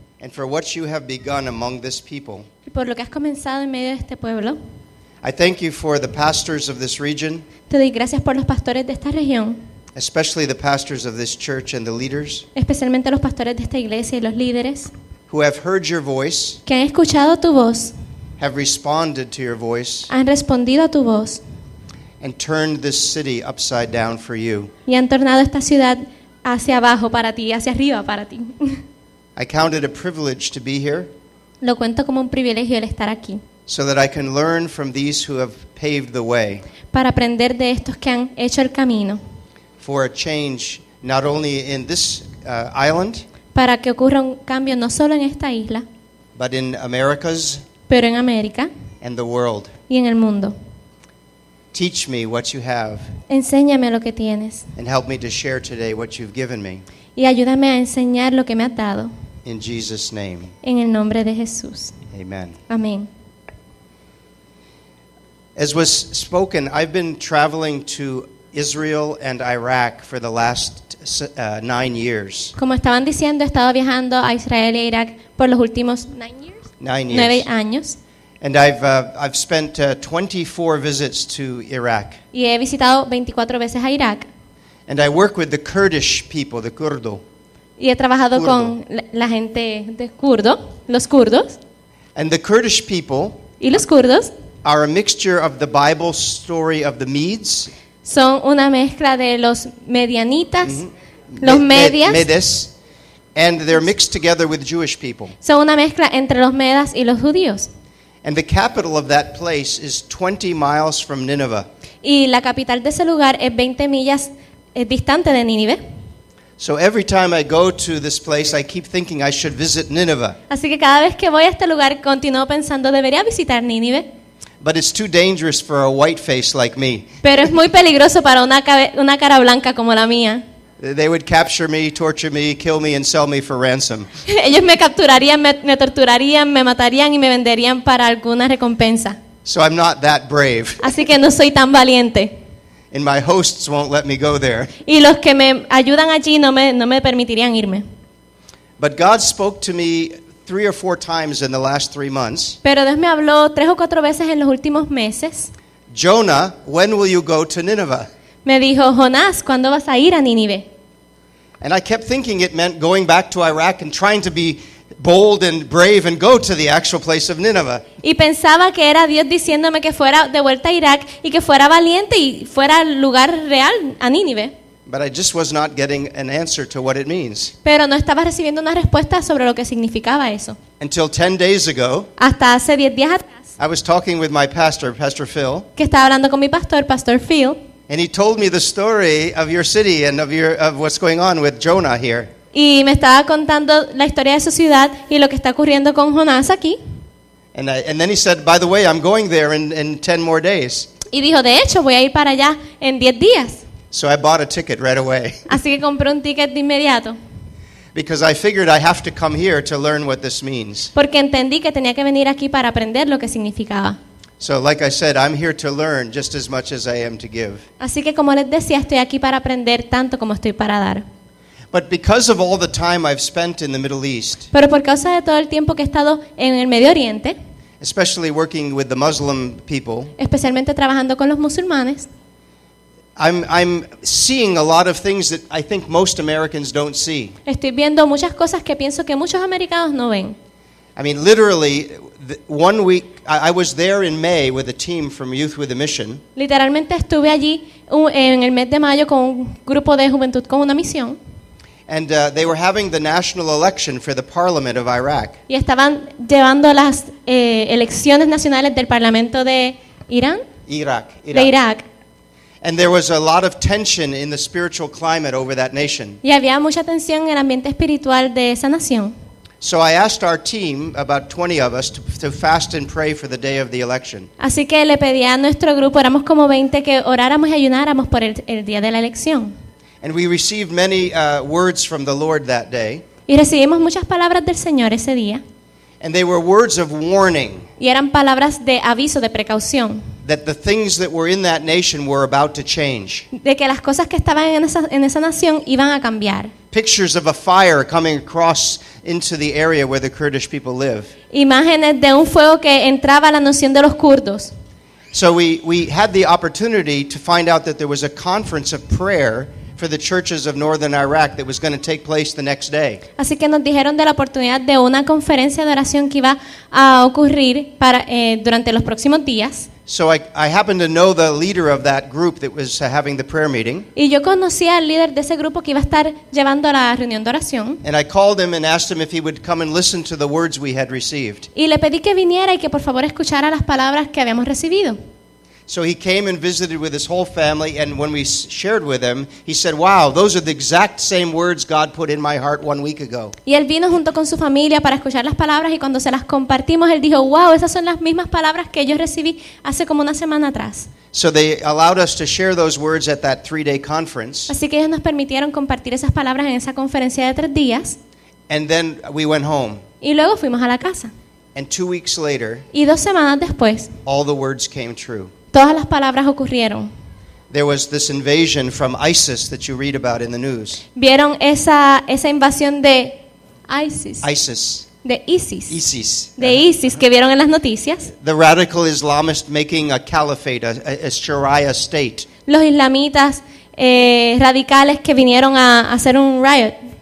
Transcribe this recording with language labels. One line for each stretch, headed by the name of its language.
English: And for what you have begun among this people.
Spanish: Y por lo que has comenzado en medio de este pueblo.
English: I thank you for the pastors of this region.
Spanish: Te doy gracias por los pastores de esta región.
English: Especially the pastors of this church and the leaders.
Spanish: Especialmente los pastores de esta iglesia y los líderes.
English: Who have heard your voice.
Spanish: Que han escuchado tu voz.
English: Have responded to your voice.
Spanish: Han respondido a tu voz.
English: And turned this city upside down for you.
Spanish: Y han tornado esta ciudad hacia abajo para ti, hacia arriba para ti.
English: I count it a privilege to be here.
Spanish: Lo cuento como un privilegio el estar aquí.
English: So that I can learn from these who have paved the way.
Spanish: Para aprender de estos que han hecho el camino.
English: For a change not only in this island.
Spanish: Para que ocurra un cambio no solo en esta isla.
English: But in America's.
Spanish: Pero en América
English: and the world.
Spanish: Y en el mundo.
English: Teach me what you have.
Spanish: Enséñame lo que tienes.
English: And help me to share today what you've given me.
Spanish: Y ayúdame a enseñar lo que me has dado.
English: In Jesus' name.
Spanish: En el nombre de Jesús.
English: Amen.
Spanish: Amén.
English: As was spoken, I've been traveling to Israel and Iraq for the last 9 years.
Spanish: Como estaban diciendo, he estado viajando a Israel y a Irak por los últimos
English: 9 years. 9 years. And I've spent 24 visits to Iraq.
Spanish: Y he visitado 24 veces a Irak.
English: And I work with the Kurdish people, the Kurdo.
Spanish: Y he trabajado Kurdo. Con la gente de Kurdo, los Kurdos.
English: And the Kurdish people.
Spanish: Y los Kurdos.
English: Are a mixture of the Bible story of the Medes.
Spanish: Son una mezcla de los Medianitas, los Medias.
English: Medes. And they're mixed together with Jewish people.
Spanish: Son una mezcla entre los Medas y los judíos.
English: And the capital of that place is 20 miles from Nineveh.
Spanish: Y la capital de ese lugar es 20 millas distante de Nínive.
English: So every time I go to this place, I keep thinking I should visit Nineveh.
Spanish: Así que cada vez que voy a este lugar, continúo pensando debería visitar Nínive.
English: But it's too dangerous for a white face like me.
Spanish: Pero es muy peligroso para una cara blanca como la mía.
English: They would capture me, torture me, kill me, and sell me for ransom.
Spanish: Ellos me capturarían, me torturarían, me matarían y me venderían para alguna recompensa.
English: So I'm not that brave.
Spanish: Así que no soy tan valiente.
English: And my hosts won't let me go there.
Spanish: Y los que me ayudan allí no me permitirían irme.
English: But God spoke to me 3 or 4 times in the last 3 months.
Spanish: Pero Dios me habló 3 o 4 veces en los últimos meses.
English: Jonah, when will you go to Nineveh?
Spanish: Me dijo, Jonás, ¿cuándo vas a ir a Nínive?
English: And I kept thinking it meant going back to Iraq and trying to be bold and brave and go to the actual place of Nineveh.
Spanish: Y pensaba que era Dios diciéndome que fuera de vuelta a Irak y que fuera valiente y fuera al lugar real, a Nínive.
English: But I just was not getting an answer to what it means.
Spanish: Pero no estaba recibiendo una respuesta sobre lo que significaba eso.
English: Until 10 days ago.
Spanish: Hasta hace 10 días atrás.
English: I was talking with my pastor, Pastor Phil.
Spanish: Que estaba hablando con mi pastor, Pastor Phil.
English: And he told me the story of your city and of what's going on with Jonah here.
Spanish: Y me estaba contando la historia de su ciudad y lo que está ocurriendo con Jonás aquí.
English: And then he said, by the way, I'm going there in 10 more days.
Spanish: Y dijo, de hecho, voy a ir para allá en 10 días.
English: So I bought a ticket right away.
Spanish: Así que compré un ticket de inmediato.
English: Because I figured I have to come here to learn what this means.
Spanish: Porque entendí que tenía que venir aquí para aprender lo que significaba.
English: So like I said, I'm here to learn just as much as I am to give.
Spanish: Así que como les decía, estoy aquí para aprender tanto como estoy para dar.
English: But because of all the time I've spent in the Middle East.
Spanish: Pero por causa de todo el tiempo que he estado en el Medio Oriente.
English: Especially working with the Muslim people.
Spanish: Especialmente trabajando con los musulmanes.
English: I'm seeing a lot of things that I think most Americans don't see.
Spanish: Estoy viendo muchas cosas que pienso que muchos americanos no ven.
English: I mean, literally, one week, I was there in May with a team from Youth with a Mission.
Spanish: Literalmente estuve allí en el mes de mayo con un grupo de juventud con una misión.
English: And they were having the national election for the parliament of Iraq.
Spanish: Y estaban llevando las elecciones nacionales del parlamento de Irán. Irak. De Irak.
English: And there was a lot of tension in the spiritual climate over that nation.
Spanish: Y había mucha tensión en el ambiente espiritual de esa nación.
English: So I asked our team, about 20 of us, to fast and pray for the day of the election.
Spanish: Así que le pedí a nuestro grupo, éramos como 20, que oráramos y ayunáramos por el día de la elección.
English: And we received many words from the Lord that day.
Spanish: Y recibimos muchas palabras del Señor ese día.
English: And they were words of warning.
Spanish: Y eran palabras de aviso, de precaución.
English: That the things that were in that nation were about to change.
Spanish: De que las cosas que estaban en esa nación iban a cambiar.
English: Pictures of a fire coming across into the area where the Kurdish people live.
Spanish: Imágenes de un fuego que entraba a la nación de los kurdos.
English: So we had the opportunity to find out that there was a conference of prayer for the churches of northern Iraq that was going to take place the next day.
Spanish: Así que nos dijeron de la oportunidad de una conferencia de oración que iba a ocurrir para durante los próximos días.
English: So I happened to know the leader of that group that was having the prayer meeting.
Spanish: Y yo conocía al líder de ese grupo que iba a estar llevando la reunión de oración.
English: And I called him and asked him if he would come and listen to the words we had received.
Spanish: Y le pedí que viniera y que por favor escuchara las palabras que habíamos recibido.
English: So he came and visited with his whole family, and when we shared with him, he said, "Wow, those are the exact same words God put in my heart 1 week ago."
Spanish: Y él vino junto con su familia para escuchar las palabras, y cuando se las compartimos, él dijo, "Wow, esas son las mismas palabras que yo recibí hace como una semana atrás."
English: So they allowed us to share those words at that 3-day conference.
Spanish: Así que ellos nos permitieron compartir esas palabras en esa conferencia de 3 días.
English: And then we went home.
Spanish: Y luego fuimos a la casa.
English: And 2 weeks later.
Spanish: Y 2 semanas después.
English: All the words came true.
Spanish: Todas las palabras ocurrieron.
English: There was this invasion from ISIS that you read about in the news.
Spanish: ¿Vieron esa invasión de ISIS?
English: ISIS.
Spanish: De ISIS.
English: ISIS.
Spanish: De ISIS, uh-huh. Que vieron en las noticias.
English: The radical Islamist making a caliphate, a Sharia state.
Spanish: Los islamitas radicales que vinieron a hacer un riot.